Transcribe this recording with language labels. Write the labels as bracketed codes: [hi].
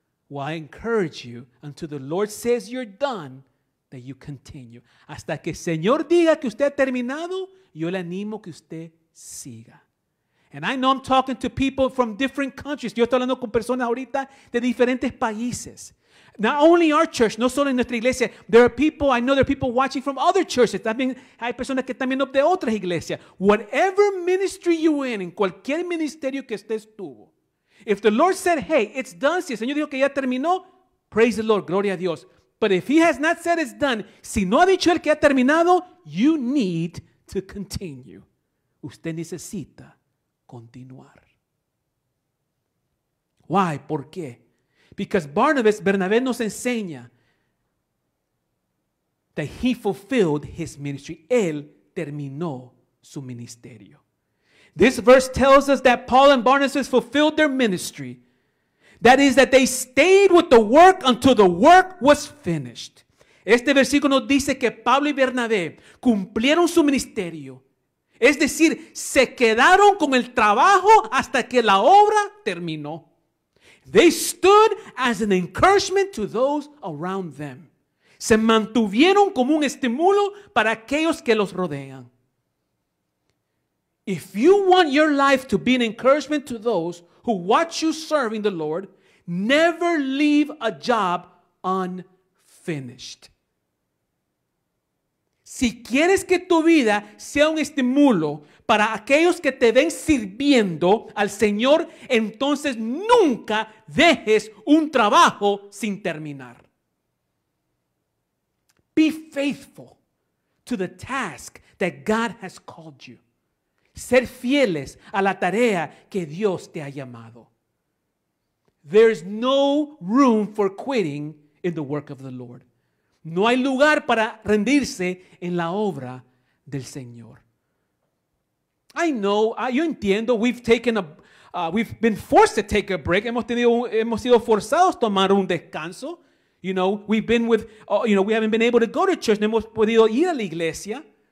[en] Well, I encourage you, until the Lord says you're done, that you continue. [es] Hasta que el Señor diga que usted ha terminado, yo le animo que usted siga. [en] And I know I'm talking to people from different countries. [es] Yo estoy hablando con personas ahorita de diferentes países. [en] Not only our church, [es] no solo en nuestra iglesia. [en] There are people, I know there are people watching from other churches. [es] También hay personas que también de otras iglesias. [en] Whatever ministry you're in, [es] cualquier ministerio que usted estuvo, [en] if the Lord said, hey, it's done, [es] si el Señor dijo que ya terminó, [en] praise the Lord, [es] gloria a Dios. [en] But if he has not said it's done, [es] si no ha dicho el que ha terminado, [en] you need to continue. [es] Usted necesita continuar. [en] Why? [es] ¿Por qué? [en] Because Bernabé [es] nos enseña [en] that he fulfilled his ministry. [es] Él terminó su ministerio. [en] This verse tells us that Paul and Barnabas fulfilled their ministry. That is, that they stayed with the work until the work was finished. [es] Este versículo nos dice que Pablo y Bernabé cumplieron su ministerio. Es decir, se quedaron con el trabajo hasta que la obra terminó. [en] They stood as an encouragement to those around them. [es] Se mantuvieron como un estímulo para aquellos que los rodean. [en] If you want your life to be an encouragement to those who watch you serving the Lord, never leave a job unfinished. [es] Si quieres que tu vida sea un estímulo para aquellos que te ven sirviendo al Señor, entonces nunca dejes un trabajo sin terminar. [en] Be faithful to the task that God has called you. [es] Ser fieles a la tarea que Dios te ha llamado. [en] There's no room for quitting in the work of the Lord. [es] No hay lugar para rendirse en la obra del Señor. [en] I know, [es] yo entiendo, [en] we've been forced to take a break. [es] Hemos sido forzados a tomar un descanso. [en] You know, we haven't been able to go to church. [es] No hemos podido ir a la iglesia.